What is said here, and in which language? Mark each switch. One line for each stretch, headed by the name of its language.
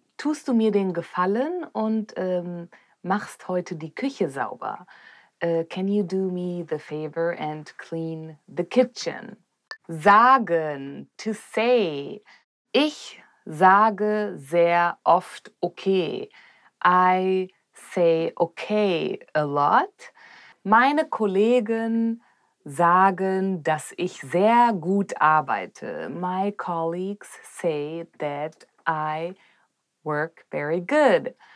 German: Tust du mir den Gefallen und machst heute die Küche sauber?
English: Can you do me the favor and clean the kitchen?
German: Sagen, to say. Ich sage sehr oft okay.
English: I say okay a lot.
German: Meine Kollegen sagen, dass ich sehr gut arbeite.
English: My colleagues say that I work very good.